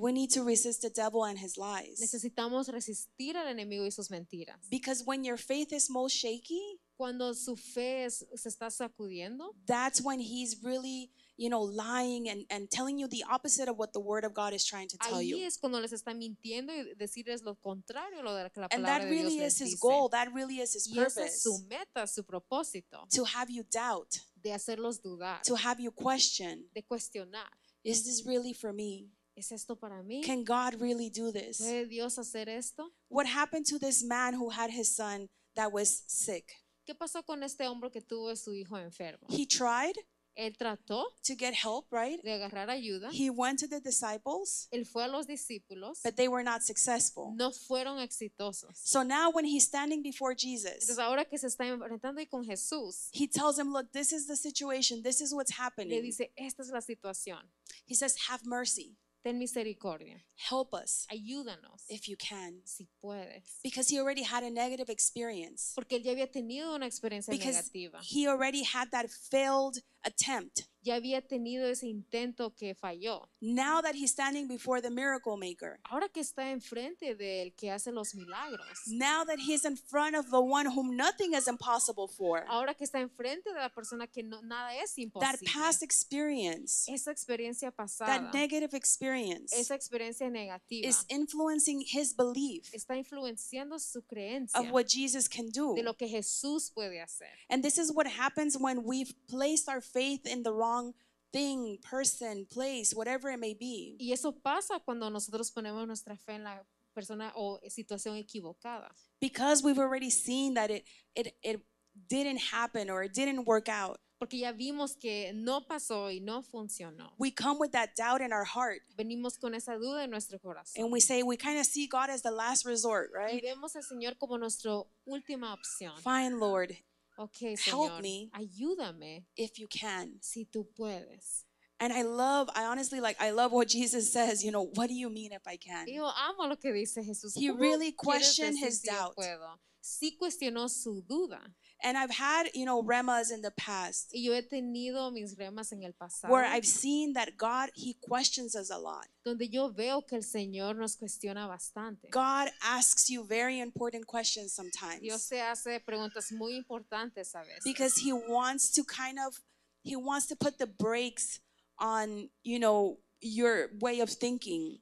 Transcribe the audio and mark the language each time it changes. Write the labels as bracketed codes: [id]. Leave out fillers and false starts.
[en] We need to resist the devil and his lies. [es] Necesitamos resistir al enemigo y sus mentiras. [en] Because when your faith is most shaky, [es] cuando su fe es, se está sacudiendo, [en] that's when he's really, you know, lying and telling you the opposite of what the word of God is trying to tell you. [es] Ahí es cuando les está mintiendo y decirles lo contrario lo de la palabra. [en] And that really is his goal. That really is his purpose. [es] Y esa es su meta, su propósito. [en] To have you doubt. [es] De hacerlos dudar. [en] To have you question. [es] De cuestionar. [en] Is this really for me? [es] ¿Es esto para mí? [en] Can God really do this? [es] ¿Puede Dios hacer esto? [en] What happened to this man who had his son that was sick? [es] ¿Qué pasó con este hombre que tuvo su hijo enfermo? [en] He tried. [es] Él trató [en] to get help, right? [es] De agarrar ayuda. [en] He went to the disciples. [es] Él fue a los discípulos. [en] But they were not successful. [es] No fueron exitosos. [en] So now when he's standing before Jesus. [es] Entonces ahora que se está enfrentando ahí con Jesús. [en] He tells him, look, this is the situation. This is what's happening. [es] Le dice, esta es la situación. [en] He says, have mercy. [es] Ten misericordia. [en] Help us. [es] Ayúdanos. [en] If you can. [es] Si puedes. [en] Because he already had a negative experience. [es] Porque él ya había tenido una experiencia negativa. [en] He already had that failed attempt. [es] Ya había tenido ese intento que falló. [en] Now that he's standing before the miracle maker. [es] Ahora que está enfrente del que hace los milagros. [en] Now that he's in front of the one whom nothing is impossible for. [es] Ahora que está enfrente de la persona que no, nada es imposible. [en] That past experience. [es] Esa experiencia pasada. [en] That negative experience. [es] Esa experiencia negativa. [en] Is influencing his belief. [es] Está influenciando su creencia. [en] Of what Jesus can do. [es] De lo que Jesús puede hacer. [en] And this is what happens when we've placed our faith in the wrong thing, person, place, whatever it may be. [es] Y eso pasa cuando nosotros ponemos nuestra fe en la persona o situación equivocada. [en] Because we've already seen that it didn't happen or it didn't work out. [es] Porque ya vimos que no pasó y no funcionó. [en] We come with that doubt in our heart. [es] Venimos con esa duda en nuestro corazón. [en] And we say we kind of see God as the last resort, right? [es] Y vemos al Señor como nuestra última opción. [en] Fine, Lord. [es] Okay, Señor, [en] help me. [es] Ayúdame. [en] If you can. [es] Si tú puedes. [en] And I honestly love what Jesus says, you know, what do you mean if I can? [es] Yo amo lo que dice Jesús. [en] He really questioned his doubt. [es] Sí cuestionó su duda. [en] And I've had, you know, remas in the past. [es] Y yo he tenido mis remas en el pasado. [en] Where I've seen that God, he questions us a lot. [es] Donde yo veo que el Señor nos cuestiona bastante. [en] God asks you very important questions sometimes. [es] Dios se hace preguntas muy importantes a veces. [en] Because he wants to put the brakes on, you know, your way of thinking.